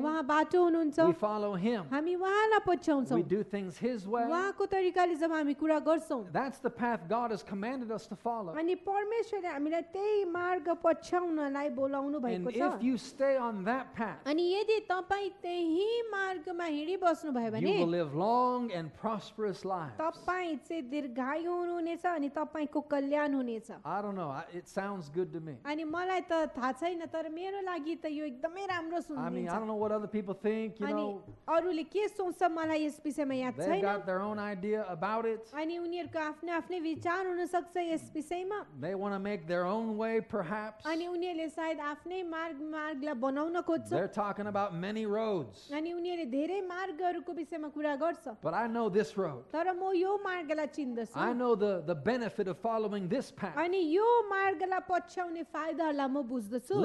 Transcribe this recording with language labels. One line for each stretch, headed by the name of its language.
Nepali: वहा बाटो हुनुहुन्छ
English: we follow him
Nepali: हामी वहालाई पछ्याउँछौ
English: we do things his way
Nepali: वहाको तरिकाले जब हामी कुरा गर्छौ
English: that's the path god has commanded us to follow
Nepali: अनि परमेश्वरले हामीलाई त्यही मार्ग पछ्याउनलाई बोलाउनु भएको छ
English: and if you stay on that path
Nepali: अनि यदि तपाई त्यही मार्गमा हिँडिबस्नु भयो भने
English: you will live long and prosperous lives
Nepali: तपाई चाहिँ दीर्घायु हुनुहुनेछ अनि तपाईको कल्याण हुनेछ
English: I don't know it sounds good to me
Nepali: अनि मलाई त थाहा छैन तर मेरो लागि त यो एकदमै राम्रो सुनिन्छ
English: I mean I don't know what other people think you know
Nepali: अनि अरूले के सोच्छ मलाई यस विषयमा याद छैन
English: they got their own idea about it
Nepali: अनि उनीहरूको आफ्नै आफ्नै विचार हुन सक्छ
English: they want to make their own way perhaps
Nepali: ani unile said afnai marg marg la banauna khojcha
English: they're talking about many roads
Nepali: ani unile dherai marg haru ko bishay ma kura garcha
English: but I know this road
Nepali: tara mo yo marg la chindachu
English: I know the benefit of following this path
Nepali: ani yo marg la pachhyaune faida la mo bujhdachu